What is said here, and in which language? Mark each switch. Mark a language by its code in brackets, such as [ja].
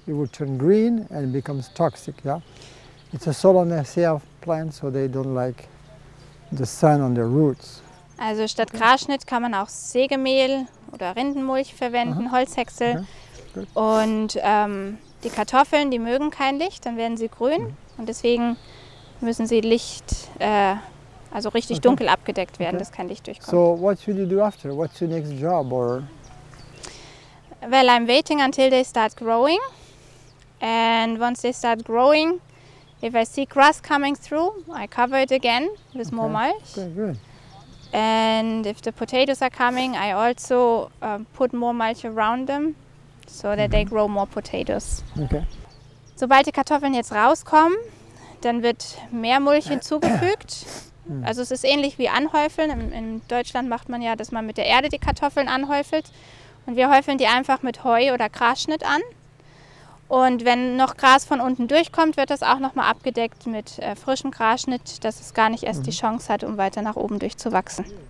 [en] It will turn green and it becomes toxic, yeah? It's a Solanacea plant, so they don't like the sun on their roots. [de] Also statt Grasschnitt kann man auch Sägemehl oder Rindenmulch verwenden, uh-huh. Holzhäcksel. Uh-huh. Und die Kartoffeln, die mögen kein Licht, dann werden sie grün. Uh-huh. Und deswegen müssen sie Licht, also richtig dunkel abgedeckt werden, dass kein Licht durchkommt. [en] So what should you do after? What's your next job? Or? Well, I'm waiting until they start growing. And once they start growing, if I see grass coming through, I cover it again with more mulch. Okay, good. And if the potatoes are coming, I also put more mulch around them, so that they grow more potatoes. Okay. [de] Sobald die Kartoffeln jetzt rauskommen, dann wird mehr Mulch hinzugefügt. Also es ist ähnlich wie Anhäufeln. In Deutschland macht man ja, dass man mit der Erde die Kartoffeln anhäufelt. Und wir häufeln die einfach mit Heu oder Grasschnitt an. Und wenn noch Gras von unten durchkommt, wird das auch nochmal abgedeckt mit frischem Grasschnitt, dass es gar nicht erst die Chance hat, um weiter nach oben durchzuwachsen.